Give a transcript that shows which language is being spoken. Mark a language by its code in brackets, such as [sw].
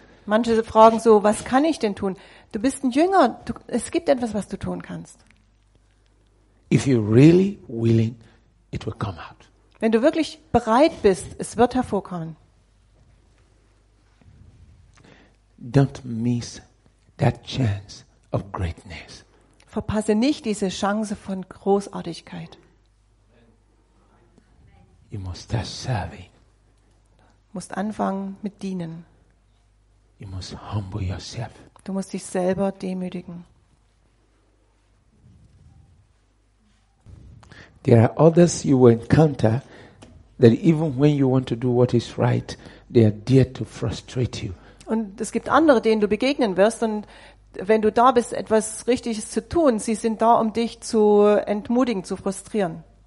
[de] Manche fragen so, was kann ich denn tun? Du bist ein Jünger. Es gibt etwas, was du tun kannst. [en] If you're really willing, it will come out. [de] Wenn du wirklich bereit bist, es wird hervorkommen. [en] Don't miss that chance of greatness. [de] Verpasse nicht diese Chance von Großartigkeit. [en] You must start serving. [de] Musst anfangen mit dienen. [en] You must humble yourself. [de] Du musst dich selber demütigen. [en] There are others you will encounter that even when you want to do what is right, they are there to frustrate you. [de] Und es gibt andere, denen du begegnen wirst, und wenn du da bist, etwas Richtiges zu tun, sie sind da, um dich zu entmutigen, zu frustrieren.